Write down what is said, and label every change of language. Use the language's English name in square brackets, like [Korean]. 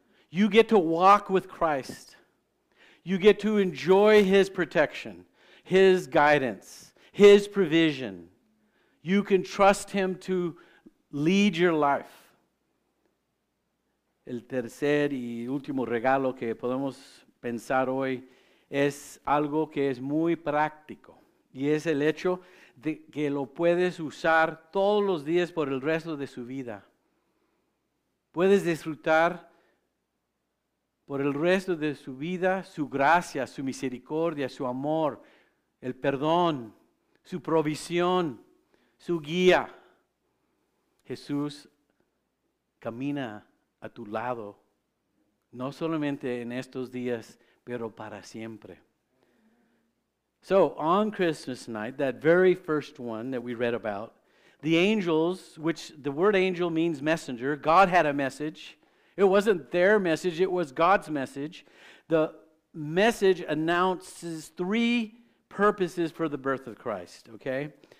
[English] You get to walk with Christ. You get to enjoy His protection, His guidance, His provision. You can trust Him to lead your life. [Spanish] El tercer y último regalo que podemos pensar hoy es algo que es muy práctico. Y es el hecho de que lo puedes usar todos los días por el resto de su vida. Puedes disfrutar por el resto de su vida su gracia, su misericordia, su amor, el perdón, su provisión, su guía. Jesús camina a tu lado, no solamente en estos días, pero para siempre. [English] So, on Christmas night, that very first one that we read about, the angels, which the word angel means messenger, God had a message. It wasn't their message, it was God's message. The message announces three purposes for the birth of Christ, okay?